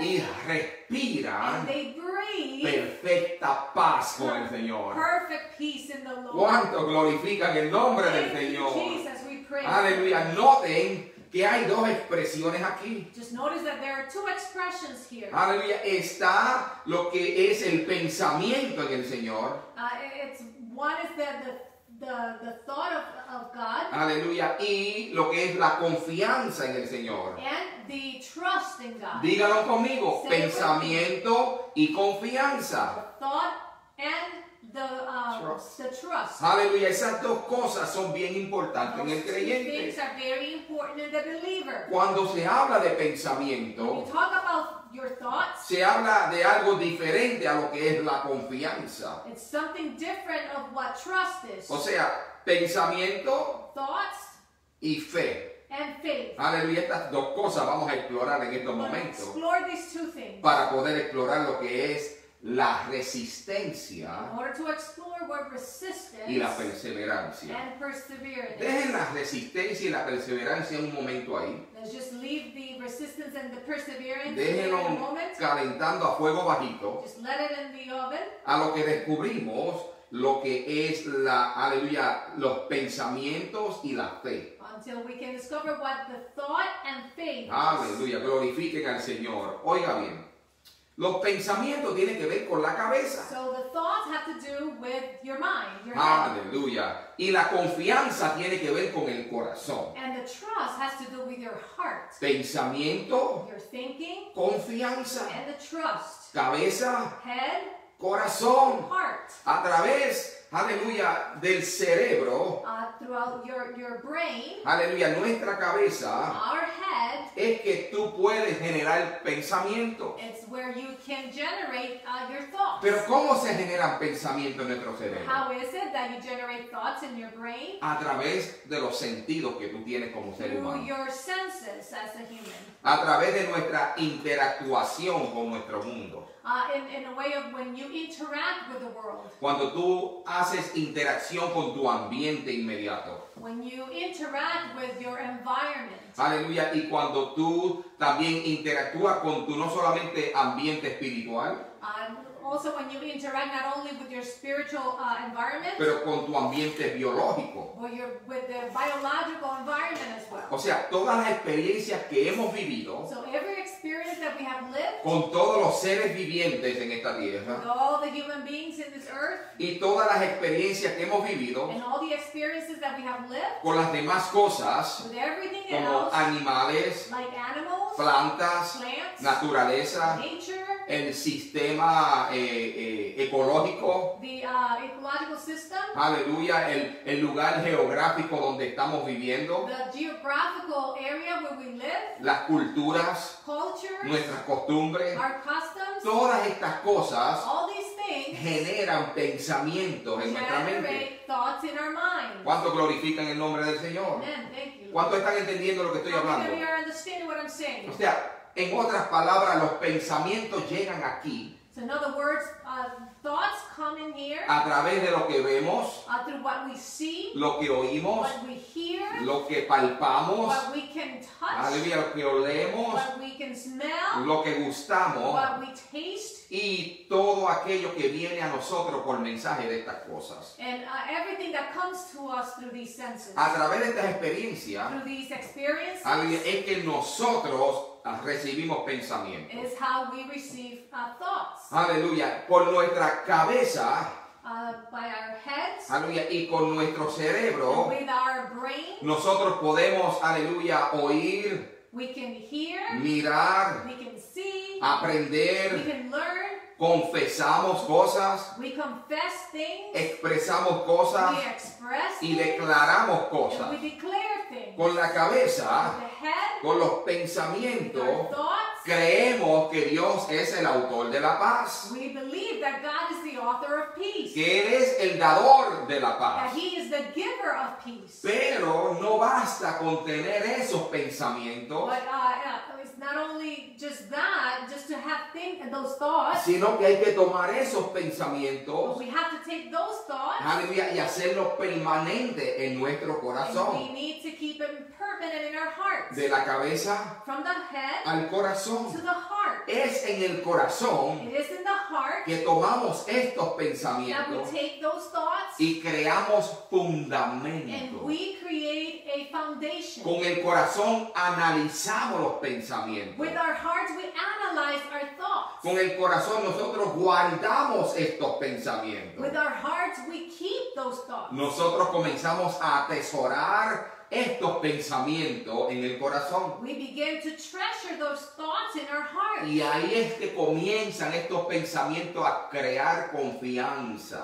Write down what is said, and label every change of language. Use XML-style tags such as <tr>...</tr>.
<es>y respiran,</es> <en>and they breathe,</en> <es>perfecta paz con el Señor.</es> <en>Perfect peace in the Lord.</en> <es>¿Cuánto glorifican el nombre del Señor?</es> <en>Jesus, we pray.</en> <es>Aleluya. Noten que hay dos expresiones aquí.</es> <en>Just notice that there are two expressions here.</en> <es>Aleluya. Está lo que es el pensamiento en el Señor.</es> <en>It's what is the thought of God.</en> <es>Aleluya. Y lo que es la confianza en el Señor.</es> <en>And the trust in God.</en> <es>Dígalo conmigo. Say pensamiento y confianza.</es> <en>The thought and the trust.</en> <es>Aleluya. Esas dos cosas son bien importantes en el creyente.</es> <en>Those things are very important in the believer.</en> <es>Cuando se habla de pensamiento,</es> <en>when you talk about your thoughts,</en> <es>se habla de algo diferente a lo que es la confianza.</es> <en>It's something different of what trust is.</en> <es>O sea, pensamiento,</es> <en>thoughts,</en> <es>y fe.</es> <en>And faith.</en> <es>Aleluya. Estas dos cosas vamos a explorar en estos momentos.</es> <en>Explore these two things.</en> <es>Para poder explorar lo que es la resistencia,</es> <en>in order to explore what resistance,</en> <es>y la perseverancia.</es> <en>And perseverance.</en> <es>Dejen la resistencia y la perseverancia un momento ahí.</es> <en>Let's just leave the resistance and the perseverance.</en> <es>Déjenlo</es> <en>in a moment.</en> <es>Calentando a fuego bajito.</es> <en>Just let it in the oven.</en> <es>A lo que descubrimos lo que es la, aleluya, los pensamientos y la fe.</es> <en>Until we can discover what the thought and faith.</en> <es>Aleluya, glorifiquen al Señor. Oiga bien. Los pensamientos tienen que ver con la cabeza.</es> <en>So the thoughts have to do with your mind, your head. Aleluya.</en> <es>Y la confianza tiene que ver con el corazón.</es> <en>And the trust has to do with your heart.</en> <es>Pensamiento.</es> <en>Your thinking.</en> <es>Confianza.</es> <en>And the trust.</en> <es>Cabeza.</es> <en>Head.</en> <es>Corazón.</es> <en>Heart.</en> <es>A través, aleluya, del cerebro.</es> <en>Throughout your brain.</en> <es>Aleluya, nuestra cabeza.</es> <en>Our head.</en> <es>Es que tú puedes generar pensamiento.</es> <en>It's where you can generate your thoughts.</en> <es>Pero ¿cómo se generan pensamientos en nuestro cerebro?</es> <en>How is it that you generate thoughts in your brain?</en> <es>A través de los sentidos que tú tienes como ser</es> <en>through</en> <es>humano.</es> <en>Your senses as a human.</en> <es>A través de nuestra interactuación con nuestro mundo.</es> <en>In a way of when you interact with the world.</en> <es>Cuando tú haces interacción con tu ambiente inmediato.</es> <en>When you interact with your environment.</en> <es>Aleluya. Y cuando tú también interactúas con tu no solamente ambiente espiritual.</es> <en>Also when you interact not only with your spiritual environment.</en> <es>Pero con tu ambiente biológico.</es> <en>With the biological environment as well.</en> <es>O sea, todas las experiencias que hemos vivido.</es> <en>So every experience that we have lived.</en> <es>Con todos los seres vivientes en esta tierra.</es> <en>With all the human beings in this earth.</en> <es>Y todas las experiencias que hemos vivido.</es> <en>And all the experiences that we have lived.</en> <es>Con las demás cosas.</es> <en>With everything</en> <es>como</es> <en>else.</en> <es>Animales.</es> <en>Like animals.</en> <es>Plantas.</es> <en>Plants.</en> <es>Naturaleza.</es> <en>Nature.</en> <es>El sistema ecológico.</es> <en>The ecological system.</en> <es>Aleluya. El lugar geográfico donde estamos viviendo.</es> <en>The geographical area where we live.</en> <es>Las culturas.</es> <en>Cultures.</en> <es>Nuestras costumbres.</es> <en>Our customs.</en> <es>Todas estas cosas.</es> <en>All these things.</en> <es>Generan pensamientos en nuestra mente.</es> <en>Generate thoughts in our minds.</en> <es>¿Cuánto glorifican el nombre del Señor?</es> <en>Amen. Thank you.</en> <es>¿Cuánto están entendiendo lo que estoy hablando?</es> <en>How many of you are understanding what I'm saying?</en> <es>O sea, en otras palabras, los pensamientos llegan aquí.</es> <en>So in other words, thoughts come in here.</en> <es>A través de lo que vemos.</es> <en>Through what we see.</en> <es>Lo que oímos.</es> <en>What we hear.</en> <es>Lo que palpamos.</es> <en>What we can touch.</en> <es>Aleluya, lo que olemos.</es> <en>What we can smell.</en> <es>Lo que gustamos.</es> <en>What we taste.</en> <es>Y todo aquello que viene a nosotros por mensaje de estas cosas.</es> <en>And everything that comes to us through these senses.</en> <es>A través de estas experiencias.</es> <en>Through these experiences.</en> <es>Aleluya, es que nosotros recibimos pensamientos.</es> <en>Is how we receive thoughts.</en> <es>Aleluya. Por nuestra cabeza.</es> <en>By our heads.</en> <es>Aleluya. Y con nuestro cerebro.</es> <en>With our brains.</en> <es>Nosotros podemos, aleluya, oír.</es> <en>We can hear.</en> <es>Mirar.</es> <en>We can see.</en> <es>Aprender.</es> <en>We can learn.</en> <es>Confesamos cosas.</es> <en>We confess things.</en> <es>Expresamos cosas.</es> <en>We express</en> <es>y declaramos cosas.</es> <en>And we declare things.</en> <es>Con la cabeza.</es> <en>With the head.</en> <es>Con los pensamientos.</es> <en>With our thoughts.</en> <es>Creemos que Dios es el autor de la paz.</es> <en>We believe that God is the author of peace.</en> <es>Que Él es el dador de la paz.</es> <en>That He is the giver of peace.</en> <es>Pero no basta con tener esos pensamientos.</es> <en>But it's not only just that, just to have things. those thoughts,</en> <es>sino que hay que tomar esos pensamientos,</es> <en>but we have to take those thoughts,</en> <es>y hacerlos permanentes en nuestro corazón.</es> <en>And we need to keep them permanent in our hearts.</en> <es>De la cabeza,</es> <en>from the head,</en> <es>al corazón.</es> <en>To the heart.</en> <es>Es en el corazón,</es> <en>it is in the heart,</en> <es>que tomamos estos pensamientos,</es> <en>that we take those thoughts,</en> <es>y creamos fundamento.</es> <en>And we create a foundation.</en> <es>Con el corazón analizamos los pensamientos.</es> <en>With our hearts, we analyze our thoughts.</en> <es>Con el corazón nosotros guardamos estos pensamientos.</es> <en>With our hearts, we keep those thoughts.</en> <es>Nosotros comenzamos a atesorar estos pensamientos en el corazón.</es> <en>We begin to treasure those thoughts in our heart.</en> <es>Y ahí es que comienzan estos pensamientos a crear confianza.</es>